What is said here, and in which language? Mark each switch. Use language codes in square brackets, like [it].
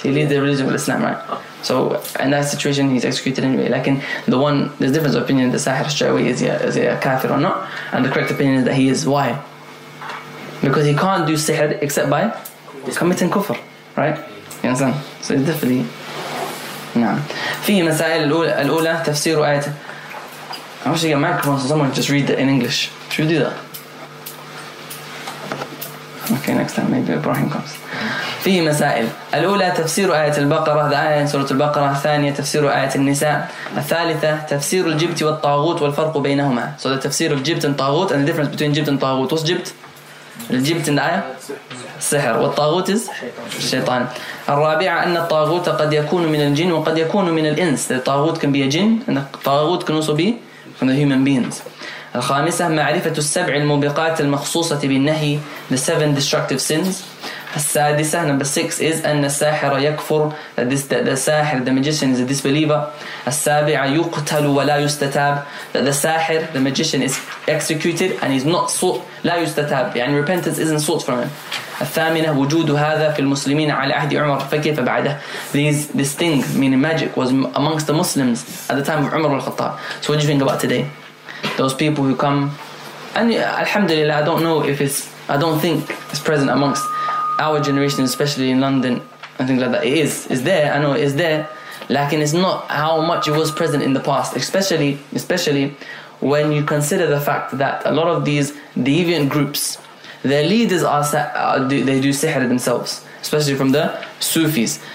[en] He leaves the religion of Islam, right? So in that situation, he's executed anyway. Like in the one, there's a difference of opinion, the sahir straight away, is he a kafir or not? And the correct opinion is that he is. Why? Because he can't do sihr except by committing kufr, right? You understand? So it's definitely, nah. [ar] في مسائل الأولى تفسير آية. [en] I wish I get a microphone so someone just read that in English. Should we do that? Okay, next time maybe Ibrahim comes. [ar] في مسائل الأولى تفسير آية البقرة، الآية سورة البقرة. الثانية تفسير آية النساء. الثالثة تفسير الجبت والطاغوت والفرق بينهما. [en] So the تفسير الجبت and طاغوت and the difference between جبت and طاغوت. What's جبت? [ar] الجبت [en] in the [ar] آية السحر، والطاغوت is الشيطان. الرابعة أن الطاغوت قد يكون من الجن وقد يكون من الإنس. [en] The طاغوت can be a jinn and the طاغوت can also be from the human beings. [ar] الخامسة معرفة السبع الموبقات المخصوصة بالنهي. [en] The seven destructive sins. [ar] السادسة [en] number six is [ar] أن الساحر يكفر. [en] The magician is a disbeliever. [ar] السابعة يقتل ولا يستتاب. [en] That the ساحر, the magician, is executed and he's not sought. [ar] لا يستتاب يعني [en] repentance isn't sought from him. [ar] الثامنة وجود هذا في المسلمين على عهد عمر فكيف بعده. [en] This thing, meaning magic, was amongst the Muslims at the time of عمر الخطاب. So what do you think about today? Those people who come, and alhamdulillah, I don't think it's present amongst our generation, especially in London and things like that. It is, it's there, I know it is there, like, and it's not how much it was present in the past, especially when you consider the fact that a lot of these deviant groups, their leaders they do sihr themselves, especially from the Sufis.